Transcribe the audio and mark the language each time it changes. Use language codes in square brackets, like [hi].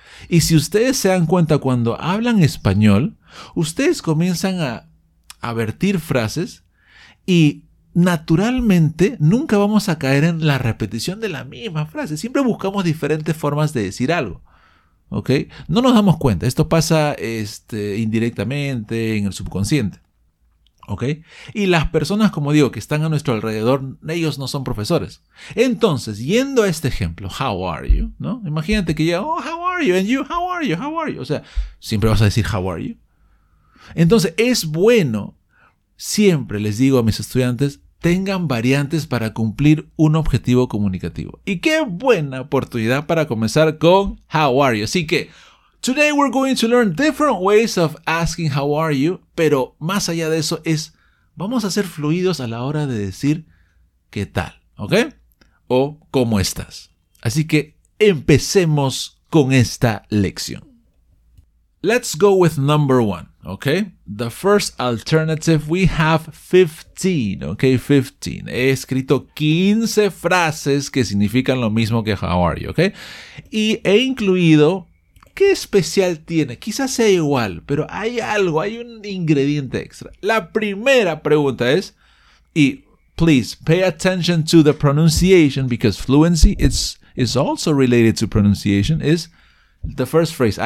[es] Y si ustedes se dan cuenta, cuando hablan español, ustedes comienzan a vertir frases y naturalmente nunca vamos a caer en la repetición de la misma frase. Siempre buscamos diferentes formas de decir algo. ¿Okay? No nos damos cuenta. Esto pasa indirectamente en el subconsciente. ¿Okay? Y las personas, como digo, que están a nuestro alrededor, ellos no son profesores. Entonces, yendo a este ejemplo, [en] how are you? [es] ¿No? Imagínate que llega, [en] oh, how are you? And you, how are you? How are you? [es] O sea, siempre vas a decir, [en] how are you? [es] Entonces, es bueno, siempre les digo a mis estudiantes, tengan variantes para cumplir un objetivo comunicativo. Y qué buena oportunidad para comenzar con [en] how are you. [es] Así que, [en] today we're going to learn different ways of asking how are you, [es] pero más allá de eso es, vamos a ser fluidos a la hora de decir qué tal, ¿ok? O cómo estás. Así que empecemos con esta lección. [en] Let's go with number one, ¿ok? The first alternative, we have 15, ¿ok? 15. [es] He escrito 15 frases que significan lo mismo que [en] how are you, [es] ¿ok? Y he incluido, ¿qué especial tiene? Quizás sea igual, pero hay algo, hay un ingrediente extra. La primera pregunta es, y [en] please pay attention to the pronunciation, because fluency is also related to pronunciation, [es] is the first phrase.